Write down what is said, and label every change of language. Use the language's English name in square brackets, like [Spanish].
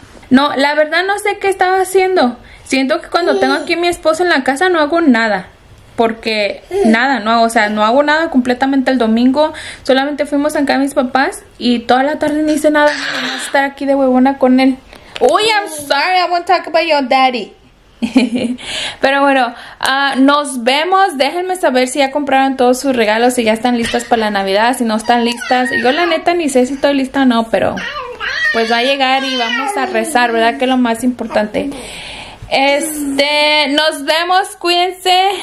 [Spanish] No, la verdad no sé qué estaba haciendo. Siento que cuando tengo aquí a mi esposo en la casa no hago nada. porque nada, no, o sea, no hago nada completamente el domingo. Solamente fuimos acá a mis papás y toda la tarde no hice nada. No voy a estar aquí de huevona con él. [English] Uy, I'm sorry, I won't talk about your daddy. [Spanish] Pero bueno, nos vemos. Déjenme saber si ya compraron todos sus regalos, si ya están listas para la Navidad, si no están listas. Yo la neta ni sé si estoy lista o no, pero pues va a llegar y vamos a rezar, ¿verdad? Que es lo más importante. Nos vemos, cuídense.